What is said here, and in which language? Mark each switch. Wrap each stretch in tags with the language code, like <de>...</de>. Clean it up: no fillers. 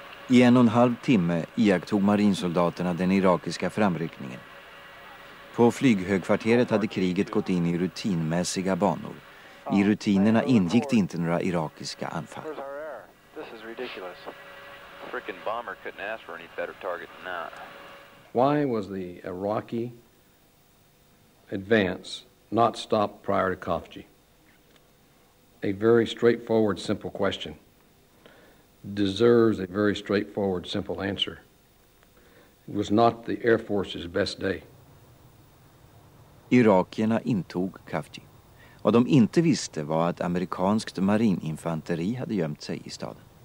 <sv>I en och en halv timme iakttog marinsoldaterna den irakiska framryckningen. På flyghögkvarteret hade kriget gått in i rutinmässiga banor. I rutinerna ingick det inte några irakiska anfall.</sv> <en>This is ridiculous. Frickin' bomber couldn't ask for any better target than that. Why was the Iraqi advance not stopped prior to Kafji? A very straightforward, simple question. Deserves a very straightforward, simple answer. It was not the Air Force's best day.</en> <sv>Irakierna intog Kafji. Vad de inte visste var att amerikanskt marininfanteri hade gömt sig i staden.</sv>